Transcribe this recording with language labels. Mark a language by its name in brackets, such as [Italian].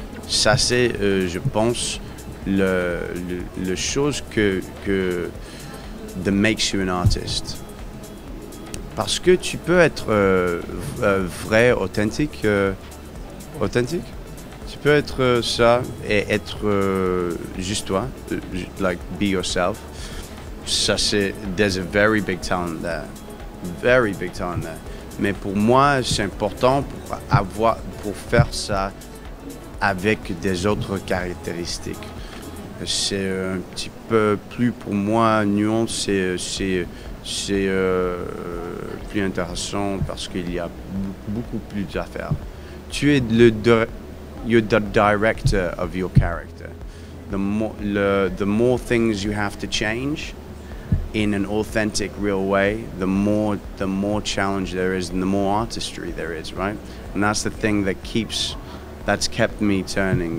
[French] Ça, c'est, je pense, le chose que [English] that makes you an artist. [French] Parce que tu peux être vrai, authentique, authentique. Tu peux être ça et être juste toi, [English] like be yourself. [French] Ça c'est [English] there's a very big talent there, very big talent there. [French] Mais pour moi c'est important pour avoir pour faire ça avec des autres caractéristiques. C'est un petit peu plus pour moi nuance. C'est plus intéressant parce qu'il y a beaucoup plus d'affaires. Tu es le [English] you're the director of your character. The more things you have to change in an authentic, real way, the more challenge there is, and the more artistry there is, right? And that's the thing that's kept me turning.